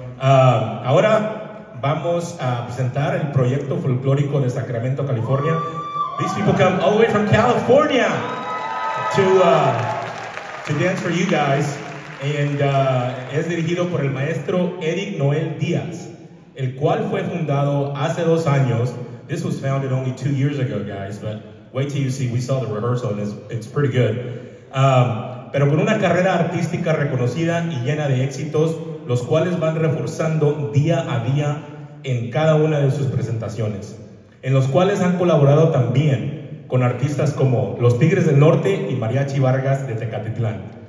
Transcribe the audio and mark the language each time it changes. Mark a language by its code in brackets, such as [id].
[es] Ahora vamos a presentar el proyecto folclórico de Sacramento, California. [en] These people come all the way from California to dance for you guys. [es] And es dirigido por el maestro Eric Noel Díaz, el cual fue fundado hace 2 años. [en] This was founded only 2 years ago, guys, but wait till you see, we saw the rehearsal and it's pretty good. [es] Pero con una carrera artística reconocida y llena de éxitos, los cuales van reforzando día a día en cada una de sus presentaciones, en los cuales han colaborado también con artistas como Los Tigres del Norte y Mariachi Vargas de Tecatitlán.